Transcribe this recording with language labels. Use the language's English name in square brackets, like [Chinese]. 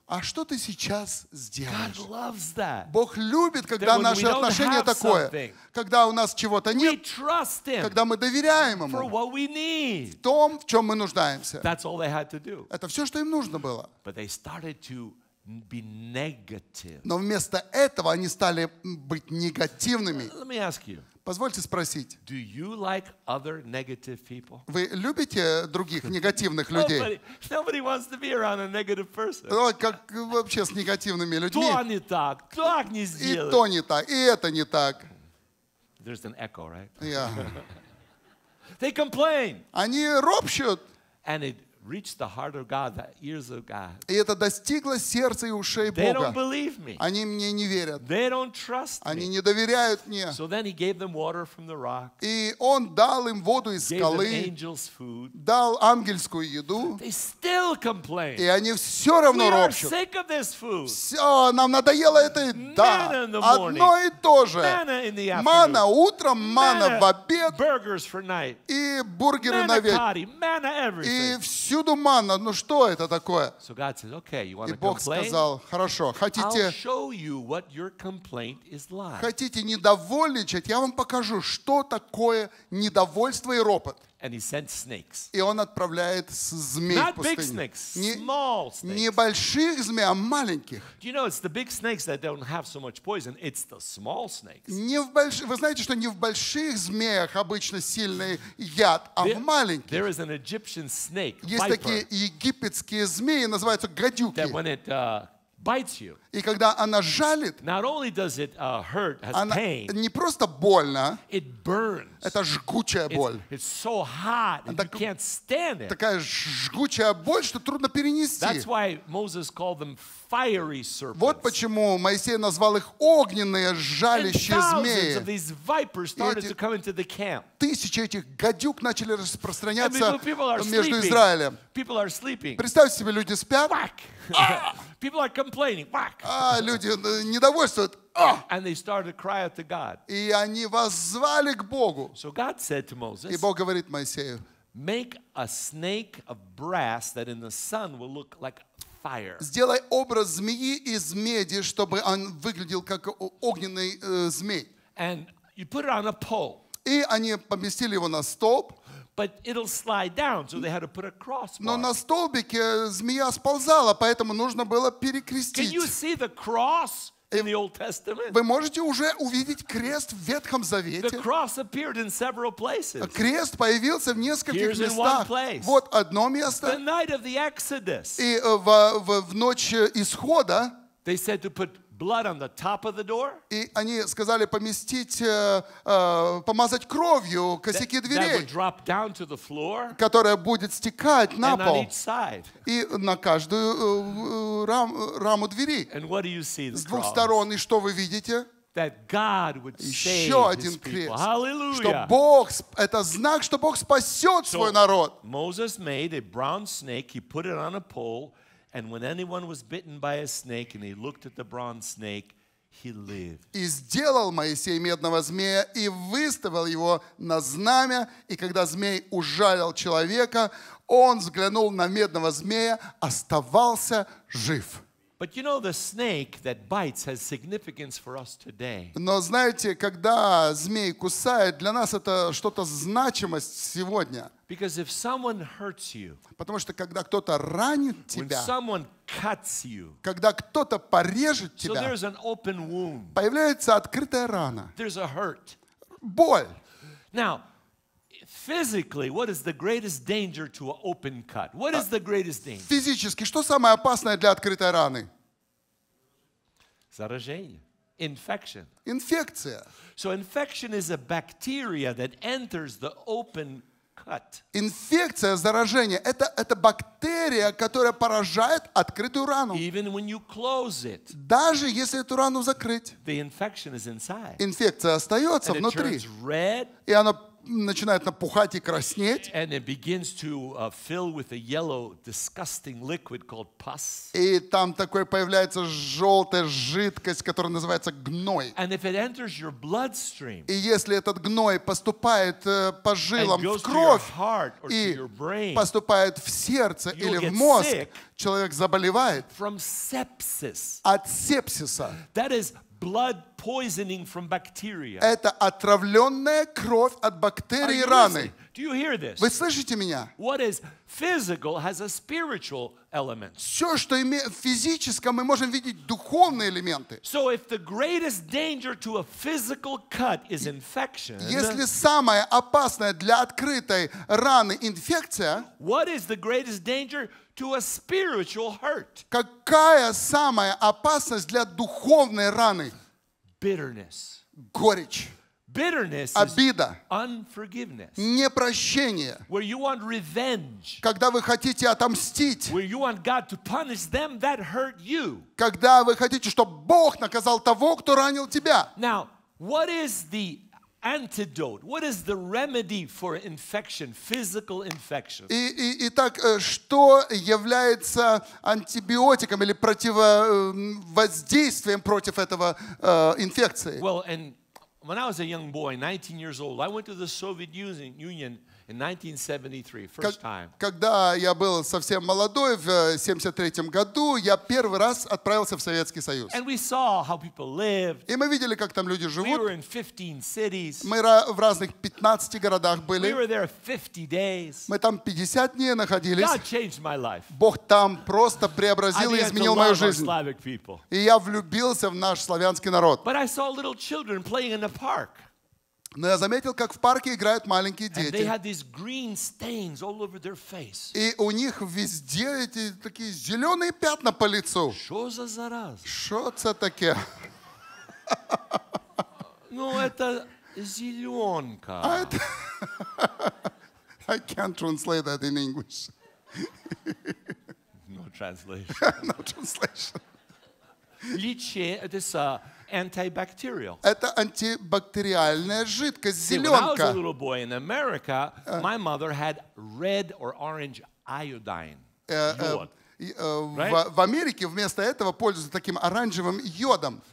[Russian] А что ты сейчас сделаешь? [English] God loves that. [Russian] Бог любит, когда [English] that [Russian] наши отношения такое, когда у нас чего-то [English] we [Russian] нет, [English] trust him [Russian] когда мы доверяем Ему [English] for what we need. [Russian] В том, в чем мы нуждаемся. [English] That's all they had to do. [Russian] Это все, что им нужно было. [English] But they started to be negative. [Russian] Но вместо этого они стали быть негативными. [English] Let me ask you. [Russian] Позвольте спросить. [English] Do you like other negative people? [Russian] Вы любите других негативных людей? [English] Nobody wants to be around a negative person. [Russian] Как вообще с негативными людьми? То не так, так не сделать. И то не так, и это не так. [English] There's an echo, right? Yeah. They complain. [Russian] Они ропщут. [English] And it reached the heart of God, the ears of God. [Russian] И это достигло сердца и ушей Бога. [English] They don't believe me. [Russian] Они мне не верят. [English] They don't trust [Russian] Они [English] me. [Russian] Не доверяют мне. [English] So then he gave them water from the rock. [Russian] И он дал им воду из [English] gave [Russian] скалы. [English] Them angels food. [Russian] Дал ангельскую еду. [English] They still complain. [Russian] И они все равно ропщут. [English] We are sick of this food. [Russian] Все, нам надоело это еда. [English] Manna in the morning. [Russian] Одно и то же. [English] Manna in the afternoon. [Russian] Манна утром, манна в обед. [English] Burgers for night. [Russian] И бургеры [English] manna [Russian] на вечер. [English] Manna everything. [Russian] И все всюду манна, ну что это такое? [English] So God said, okay, you want to complain? [Russian] И Бог сказал, хорошо, хотите, [English] I'll show you what your complaint is like. [Russian] Хотите недовольничать, я вам покажу, что такое недовольство и ропот. [English] And he sent snakes. [Russian] И он отправляет змей в пустыню. Не больших змей, а маленьких. [English] Do you know, it's the big snakes that don't have so much poison. It's the small snakes. [Russian] Вы знаете, что не в больших змеях обычно сильный яд, а в маленьких. [English] There is an Egyptian snake, viper. [Russian] Есть такие египетские змеи, называются гадюки. [English] That when it bites you. [Russian] И когда она жалит, [English] not only does it hurt, has [Russian] она [English] pain, [Russian] не просто больно, [English] it burns. [Russian] Это жгучая боль. [English] It's so hot, and you can't stand it. [Russian] Такая жгучая боль, что трудно перенести. [English] That's why Moses called them fiery serpents. [Russian] Вот почему Моисей назвал их огненные жалящие змеи. [English] And thousands of these vipers started to come into the camp. [Russian] Тысячи этих гадюк начали распространяться между Израилем. [English] People are sleeping. [Russian] Представьте себе, люди спят. [English] Whack! People are complaining. Whack! [Russian] А люди недовольствуют. [English] And they started to cry out to God. [Russian] И они воззвали к Богу. [English] So God said to Moses. [Russian] И Бог говорит Моисею. [English] Make a snake of brass that in the sun will look like fire. [Russian] Сделай образ змеи из меди, чтобы он выглядел как огненный змей. [English] And you put it on a pole. [Russian] И они поместили его на столб. [English] But it'll slide down, so they had to put a crossbar. [Russian] Но на столбике змея сползала, поэтому нужно было перекрестить. [English] Can you see the cross? In the Old Testament. [Russian] Вы можете уже увидеть крест в Ветхом Завете. The cross appeared in several places. Крест появился в нескольких [English] Here's [Russian] местах. [English] In one place. [Russian] Вот одно место. [English] The night of the Exodus. [Russian] И в ночь исхода. [English] They said to put blood on the top of the door. [Russian] И они сказали поместить, помазать кровью косяки [English] that, [Russian] дверей. [English] That would drop down to the floor. [Russian] Которая будет стекать на [English] and [Russian] пол. [English] On each side. [Russian] И на каждую раму двери. [English] And what do you see? [Russian] С двух сторон. И что вы видите? [English] That God would save his people. Hallelujah. [Russian] Что Бог, это знак, что Бог спасет [English] so [Russian] свой народ. [English] Moses made a bronze snake. He put it on a pole. And when anyone was bitten by a snake and he looked at the bronze snake, he lived. [Russian] И сделал Моисей медного змея и выставил его на знамя, и когда змей ужалил человека, он взглянул на медного змея, оставался жив. [English] But you know the snake that bites has significance for us today. [Russian] Но знаете, когда змей кусает, для нас это что-то значимость сегодня. [English] Because if someone hurts you. [Russian] Потому что когда кто-то ранит тебя. [English] When someone cuts you. [Russian] Когда кто-то порежет тебя. [English] So there's an open wound. [Russian] Появляется открытая рана. [English] There's a hurt. [Russian] Боль. [English] Now, physically, what is the greatest danger to an open cut? What is the greatest danger? [Russian] Физически, что самое опасное для открытой раны? Заражение. [English] Infection. [Russian] Инфекция. [English] So infection is a bacteria that enters the open cut. [Russian] Инфекция, заражение, это бактерия, которая поражает открытую рану. [English] Even when you close it. [Russian] Даже если эту рану закрыть. [English] The infection is inside. [Russian] Инфекция остается внутри. [English] And it turns red. [Russian] И она начинает напухать и краснеть. [English] And it begins to fill with a yellow, disgusting liquid called pus. [Russian] И там такое появляется желтая жидкость, которая называется гной. [English] And if it enters your bloodstream, [Russian] и если этот гной поступает по жилам [English] and goes [Russian] в кровь [English] to your heart or [Russian] и [English] to your brain, [Russian] поступает в сердце [English] you'll [Russian] или [English] get [Russian] в мозг, [English] sick [Russian] человек заболевает [English] from sepsis. [Russian] От сепсиса. [English] That is blood poisoning from bacteria. [Russian] Это отравленная кровь от бактерий раны. [English] Do you hear this? [Russian] Вы слышите меня? [English] What is physical has a spiritual element. [Russian] Все, что имеет физическое, мы можем видеть духовные элементы. [English] So if the greatest danger to a physical cut is infection, [Russian] если самое опасное для открытой раны инфекция, [English] what is the greatest danger to a spiritual hurt? [Russian] Какая самая опасность для духовной раны? [English] Bitterness. [Russian] Горечь. [English] Bitterness [Russian] обида, [English] is unforgiveness. [Russian] Непрощение. [English] Where you want revenge. [Russian] Когда вы хотите отомстить. [English] Where you want God to punish them that hurt you. [Russian] Когда вы хотите, чтобы Бог наказал того, кто ранил тебя. [English] Now, what is the antidote? What is the remedy for infection, physical infection? [Russian] Итак, что является антибиотиком или противовоздействием против этого инфекции? [English] Well, and When I was a young boy, 19 years old, I went to the Soviet Union in 1973, first time. [Russian] Когда я был совсем молодой, в 73-м году, я первый раз отправился в Советский Союз. [English] And we saw how people lived. [Russian] И мы видели, как там люди живут. [English] We were in 15 cities. [Russian] Мы в разных 15 городах были. [English] We were there 50 days. [Russian] Мы там 50 дней находились. [English] God changed my life. [Russian] Бог там просто преобразил и изменил мою жизнь. [English] Slavic people. [Russian] И я влюбился в наш славянский народ. [English] But I saw little children playing in the park. [Russian] Но я заметил, как в парке играют маленькие дети. [English] And they had these green stains all over their face. [Russian] И у них везде эти такие зеленые пятна по лицу. Что за зараза? Что это такое? Ну, это зеленка. [English] I can't translate that in English. No translation. No translation. [Russian] Личи, это са... [English] Antibacterial. [Russian] Это антибактериальная жидкость, зеленка. [English] When I was a little boy in America, my mother had red or orange iodine. [Russian] В Америке вместо этого пользуются таким оранжевым йодом.